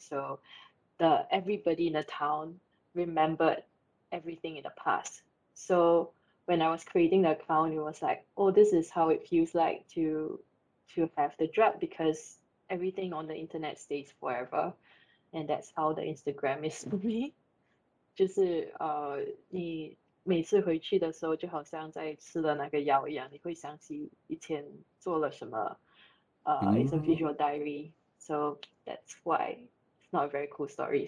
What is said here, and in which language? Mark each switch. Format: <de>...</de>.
<en>So everybody in the town remembered everything in the past. So when I was creating the account, it was like, oh, this is how it feels like to have the drug, because everything on the internet stays forever, and that's how the Instagram is for me.</en> <zh>就是你每次回去的时候，就好像在吃了那个药一样，你会想起以前做了什么。</zh> <en>It's a visual diary, so that's why it's not a very cool story.</en>